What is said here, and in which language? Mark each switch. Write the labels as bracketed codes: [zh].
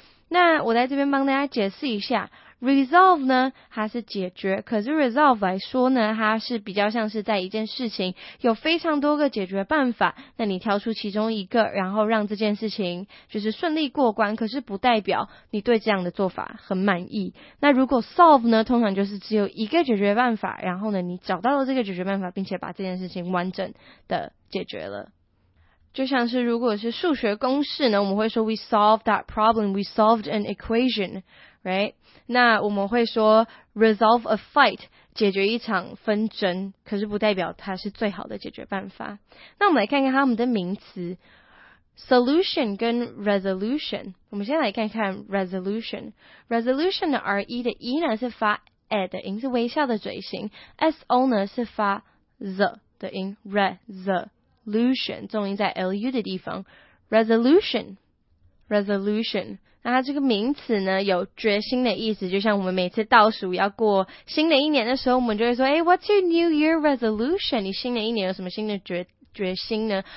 [zh] 那我在这边帮大家解释一下。Resolve 呢，它是解决，可是 resolve 来说呢，它是比较像是在一件事情有非常多个解决办法，那你挑出其中一个，然后让这件事情就是顺利过关，可是不代表你对这样的做法很满意。那如果 solve 呢，通常就是只有一个解决办法，然后呢，你找到了这个解决办法，并且把这件事情完整的解决了。就像是如果是数学公式呢，我们会说 [en] we solved that problem, we solved an equation, right? [zh] 那我们会说 [en] resolve a fight, [zh] 解决一场纷争，可是不代表它是最好的解决办法。那我们来看看它们的名词 solution 跟 resolution。我们先来看看 resolution。resolution 的 R E 的 E 呢是发 E 的音，是微笑的嘴型 ；S O 呢是发 Z 的音 ，resolution 重音在 lu 的地方 ，resolution， 那它这个名词呢有决心的意思，就像我们每次倒数要过新的一年的时候，我们就会说，哎 ， [en] What's your New Year resolution？ [zh] 你新的一年有什么新的决心呢？